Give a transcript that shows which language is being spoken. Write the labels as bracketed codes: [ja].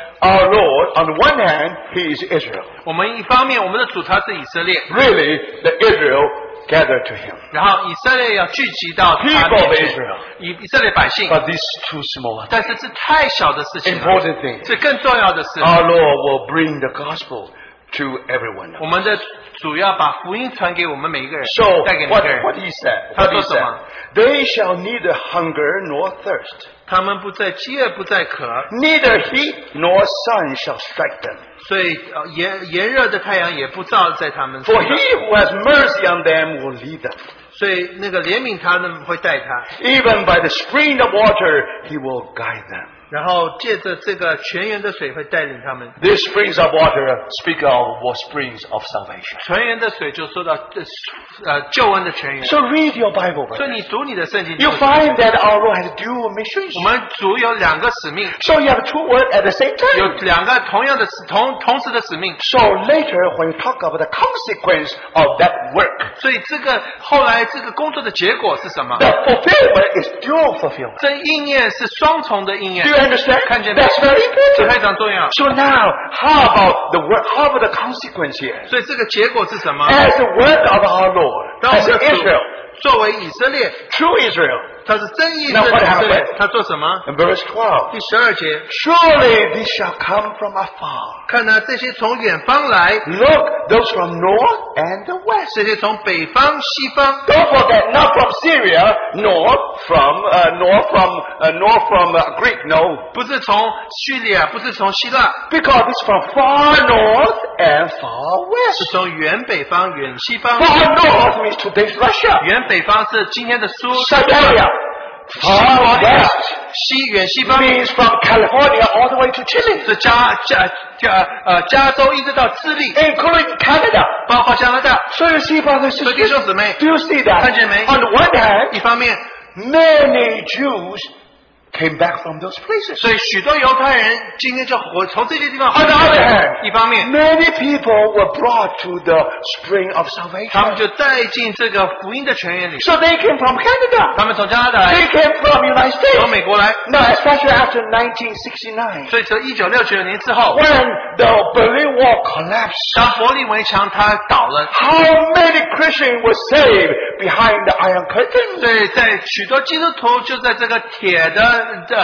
[en] our Lord, on the one hand, He is Israel. [zh] 我们一方面, 我们的主他是以色列, [en] really, the Israel gathered to Him. People of Israel. [zh] 以色列百姓, [en] but this is too small. [zh] 但是是太小的事情, [en] important thing. [zh] 是更重要的事, [en] our Lord will bring the gospel to everyone else. [zh] 我们的主要把福音传给我们每一个人, [en] so, what He said? [zh] 他说什么? [en] What He said? They shall neither hunger nor thirst. [zh] 他们不再饥饿不再渴, [en] neither heat nor sun shall strike them. [zh] 所以炎热的太阳也不照在他们, [en] for he who has mercy on them will lead them. [zh] 所以那个怜悯他们会带他, [en] even by the spring of water he will guide them. [zh] 然后借着这个泉源的水会带领他们, [en] this springs of water speak of what springs of salvation. [zh] 泉源的水就说到, 救恩的泉源, [en] so read your Bible, right? [zh] 所以你读你的圣经, [en] you find that our Lord has dual missions. [zh] 我们主有两个使命, [en] so you have two words at the same time. [zh] 有两个同样的, 同时的使命, [en] so later when you talk about the consequence of that work, [zh] 所以这个后来这个工作的结果是什么, [en] the fulfillment is dual fulfillment. [zh] 这应验是双重的应验. [en] Do you understand? That's very important. So now, how about the word, how about the consequence here? [zh] 所以这个结果是什么? [en] As the word of our Lord, as Israel, [zh] 作为以色列, [en] true Israel, [zh] 他是真以色列, [en] now what happened? [zh] 他做什么? [en] In verse 12, [zh] 第十二节, [en] surely these shall come from afar. [zh] 看啊,这些从远方来, [en] look, those from north and the west. [zh] 这些从北方,西方, [en] don't forget, not from Syria, nor from Greek, no. [zh] 不是从叙利亚, 不是从希腊, [en] because it's from far north and far west. [zh] 是从远北方, 远西方, [en] far north means today's Russia. [zh] 远北方是今天的苏, [en] Siberia. Far west, [zh] 西远西方, [en] means from California all the way to Chile. [zh] 是加州一直到智利, [en] including Canada, [zh] 包括加拿大, 所以西方的是, 所以弟兄姊妹, [en] do you see that? [zh] 看见没? [en] On the one hand, [zh] 一方面, [en] many Jews came back from those places. [zh] 所以许多犹太人今天就从这些地方, [en] on the other hand, [zh] 一方面, [en] many people were brought to the spring of salvation. [zh] 他们就带进这个福音的泉源里, [en] so they came from Canada. [zh] 他们从加拿大来, [en] they came from the United States. [zh] 从美国来, [en] no, especially after 1969. [zh] 所以从1969年之后, [en] when the Berlin Wall collapsed, [zh] 当柏林围墙它倒了, [en] how many Christians were saved behind the Iron Curtain? [zh] 所以在许多基督徒就在这个铁的,